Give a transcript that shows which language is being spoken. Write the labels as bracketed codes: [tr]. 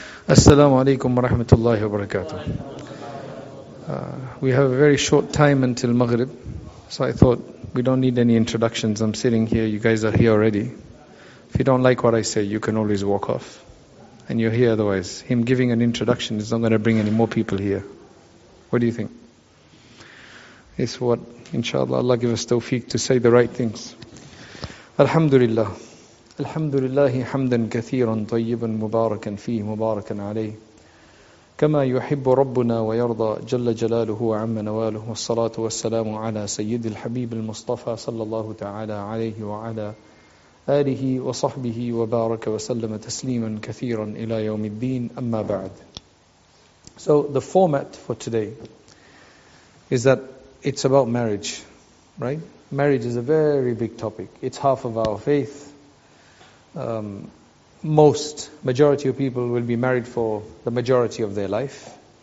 [ar] السلام عليكم ورحمة الله وبركاته. [en] We have a very short time until Maghrib, so I thought we don't need any introductions. I'm sitting here, you guys are here already. If you don't like what I say, you can always walk off. And you're here otherwise. Him giving an introduction is not going to bring any more people here. What do you think? It's what, inshallah, Allah give us tawfiq to say the right things. [ar] Alhamdulillah. الحمد لله حمدا كثيرا طيبا مباركا فيه مباركا عليه كما يحب ربنا ويرضى جل جلاله وعم نواله والصلاة والسلام على سيد الحبيب المصطفى صلى الله تعالى عليه وعلى آله وصحبه وبارك وسلم تسليما كثيرا إلى يوم الدين أما بعد. [en] So the format for today is that it's about marriage, right? Marriage is a very big topic. It's half of our faith. Majority of people will be married for the majority of their life.